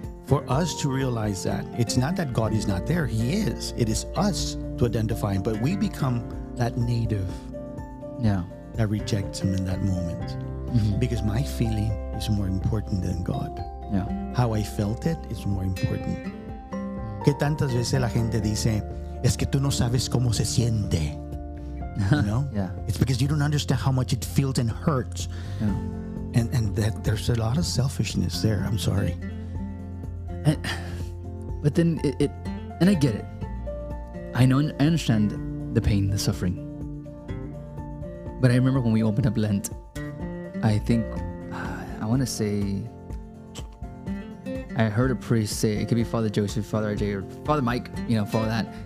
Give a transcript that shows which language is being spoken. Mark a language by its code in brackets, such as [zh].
[en] For us to realize that it's not that God is not there. He is. It is us to identify him, but we become that native. Yeah. That rejects him in that moment. Mm-hmm. Because my feeling is more important than God. Yeah. How I felt it is more important. [es] ¿Qué tantas veces la gente dice, es que tú no sabes cómo se siente? [en] You know? Yeah. It's because you don't understand how much it feels and hurts. Yeah. And that there's a lot of selfishness there. I'm sorry. But I get it. I know and understand the pain, the suffering. But I remember when we opened up Lent, I think, I want to say, I heard a priest say, it could be Father Joseph, Father RJ, or Father Mike, you know, follow that.